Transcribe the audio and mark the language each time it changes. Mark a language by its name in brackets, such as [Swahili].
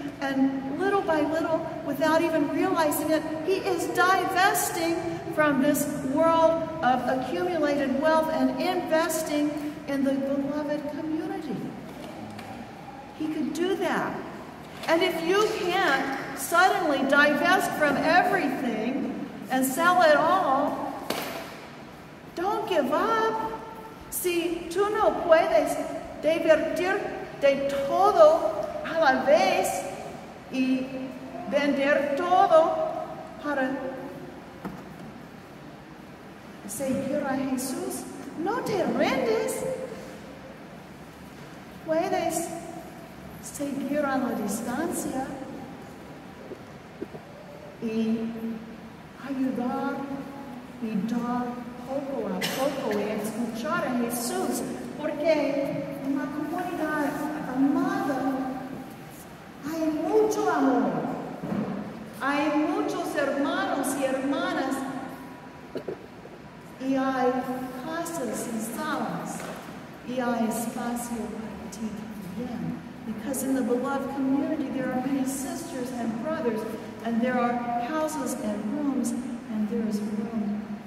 [English] And little by little, without even realizing it, he is divesting from this world of accumulated wealth and investing in the beloved community. He could do that. And if you can't suddenly divest from everything and sell it all, don't give up. [Spanish] Si tú no puedes divertir de todo a la vez y vender todo para seguir a Jesús, no te rindes. Puedes seguir a la distancia y ayudar y dar poco a poco y escuchar a Jesús, porque en la comunidad amada hay mucho amor, hay muchos hermanos y hermanas y hay casas y salas y hay espacio para ti también. [English] Because in the beloved community, there are many sisters and brothers, and there are houses and rooms, and there is room